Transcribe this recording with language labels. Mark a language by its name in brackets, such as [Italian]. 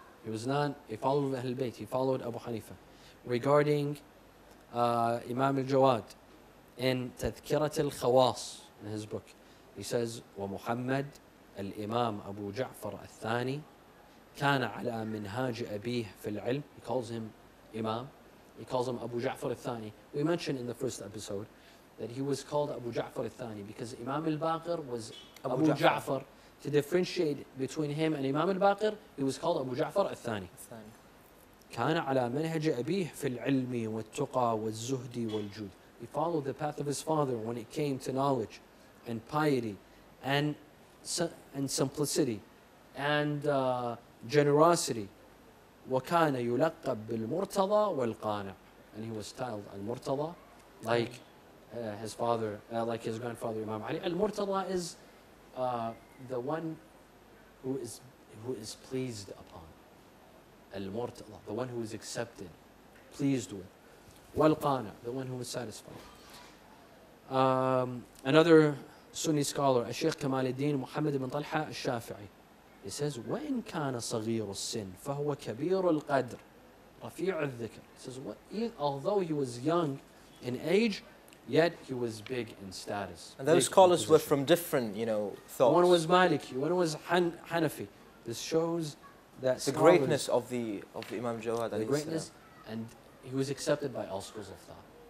[English] He was not a follower of Ahlul Bayt. He followed Abu Hanifa. Regarding Imam al-Jawad in Tadhkirat al-Khawas, in his book, he says, [Arabic] وَمُحَمَّدْ الْإِمَامْ أَبُو جَعْفَرَ الثَّانِي كَانَ عَلَىٰ مِنْهَاجِ أَبِيهِ فِي الْعِلْمِ. [English] He calls him Imam. He calls him Abu Ja'far al-Thani. We mentioned in the first episode that he was called Abu Ja'far al-Thani because Imam al-Baqir was Abu Ja'far. Ja'far. To differentiate between him and Imam al-Baqir, he was called Abu Ja'far al-Thani. [Arabic] كان على منهج أبيه في العلم والتقى والزهد والجود. [English] He followed the path of his father when it came to knowledge and piety and simplicity and generosity. [Arabic] وكان يلقب بالمرتضى والقانع. [English] And he was styled المرتضى like his father, like his grandfather Imam Ali. المرتضى is the one who is pleased upon. المرتضى, the one who is accepted, pleased with. والقانع, the one who is satisfied. Another Sunni scholar, الشيخ كمال الدين محمد بن طلحة الشافعي. He says, [Arabic] وَإِنْ كَانَ صَغِيرُ السِّنِ فَهُوَ كَبِيرُ الْقَدْرِ رَفِيعُ الذِّكْرِ. [English] He says, although he was young in age, yet he was big in status. And those scholars were from different, you know, thoughts. One was Maliki, one was Hanafi. This shows that the greatness of the Imam Jawad. The greatness, and he was accepted by all schools of thought.